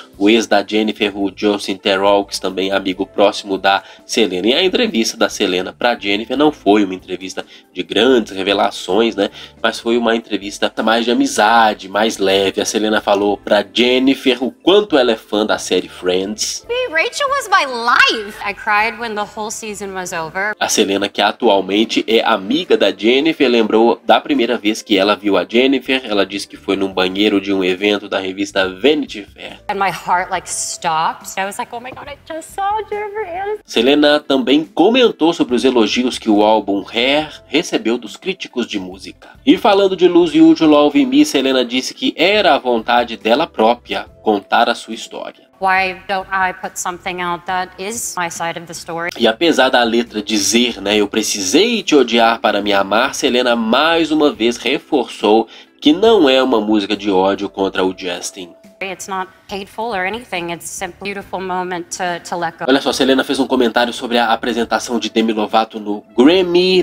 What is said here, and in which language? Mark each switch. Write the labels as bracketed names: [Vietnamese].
[Portuguese] O ex da Jennifer, o Justin Theroux, também é amigo próximo da Selena. E a entrevista da Selena para Jennifer não foi uma entrevista de grandes revelações, né? Mas foi uma entrevista mais de amizade, mais leve. A Selena falou para Jennifer o quanto ela é fã da série Friends. [English] Rachel was my life. I cried when the whole season was over. [Portuguese] A Selena, que atualmente é amiga da Jennifer, lembrou da primeira vez que ela viu a Jennifer. Ela disse que foi num banheiro de um evento da revista Vanity Fair. [English] And my heart like stopped. I was like, oh my god, I just saw Jennifer Aniston. [Portuguese] Selena também comentou sobre os elogios que o álbum Hair recebeu dos críticos de música. E falando de Lose You, To Love Me, Selena disse que era a vontade dela própria contar a sua história. [English] Why don't I put something out that is my side of the story? [Portuguese] E apesar da letra dizer, né, eu precisei te odiar para me amar, Selena mais uma vez reforçou que não é uma música de ódio contra o Justin. [English] It's not hateful or anything. It's a beautiful moment to let go. [Portuguese] Olha só, Selena fez um comentário sobre a apresentação de Demi Lovato no Grammy.